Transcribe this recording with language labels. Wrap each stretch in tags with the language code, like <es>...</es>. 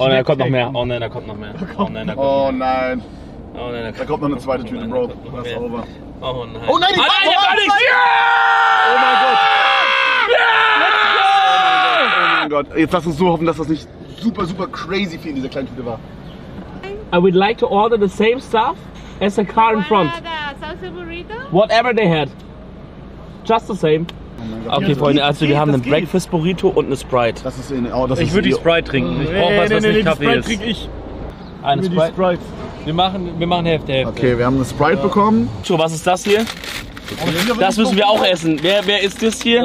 <de>nicht. Oh nein, da kommt noch mehr. Oh nein, da kommt noch mehr. Oh nein, da kommt, oh nein. Da kommt noch eine zweite Tüte, Bro. Das ist over. Oh nein. Oh nein, die war nicht! Oh mein Gott. Oh mein Gott. Jetzt lass uns so hoffen, dass das nicht super, super crazy viel in dieser kleinen Tüte war.</de> <en>I would like to order the same stuff as the car in front. Salsa burrito? Whatever they had. Just the same.</en> <de>Oh okay, Freunde, ja, also wir haben einen Breakfast Burrito und eine Sprite. Das ist in, oh, das ich würde die Sprite trinken. Ich brauche nicht Kaffee Sprite ist. Trinke ich. Eine Sprite. Sprite. Wir machen Hälfte. Okay, wir haben eine Sprite bekommen. So, was ist das hier? Das müssen wir auch essen. Wer ist das hier?</de>